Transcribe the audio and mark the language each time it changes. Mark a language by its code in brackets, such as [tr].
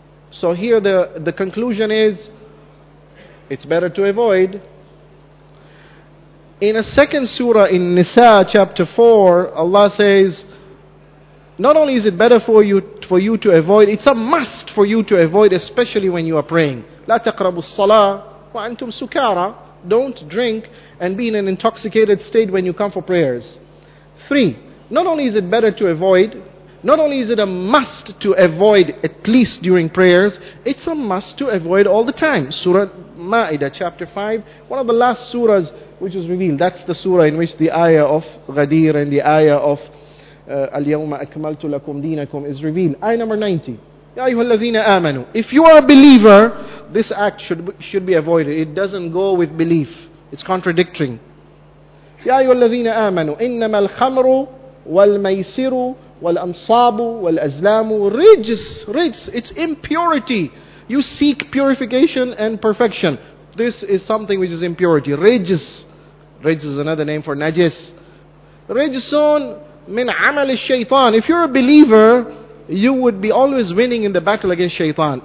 [en] So here the conclusion is, it's better to avoid. In a second surah, in Nisa chapter 4, Allah says, not only is it better for you to avoid, it's a must for you to avoid, especially when you are praying. [ar] لا تقربوا الصلاة وأنتم سكارى. [en] Don't drink and be in an intoxicated state when you come for prayers. 3. Not only is it better to avoid, not only is it a must to avoid at least during prayers, it's a must to avoid all the time. Surah Ma'idah, chapter 5, one of the last surahs which is revealed. That's the surah in which the ayah of Ghadir and the ayah of [ar] اليوم أكملت لكم دينكم [en] is revealed. Ayah number 90. [ar] يا أيها الذين آمنوا. [en] If you are a believer, this act should be avoided. It doesn't go with belief. It's contradictory. [ar] يا أيها الذين آمنوا. إنما الخمر والميسر والأنصاب والأزلام رجس. [en] It's impurity. You seek purification and perfection. This is something which is impurity. [ar] رجس. [en] رجس is another name for نجس. [ar] رجسون من عمل الشيطان. [en] If you're a believer, you would be always winning in the battle against shaitan.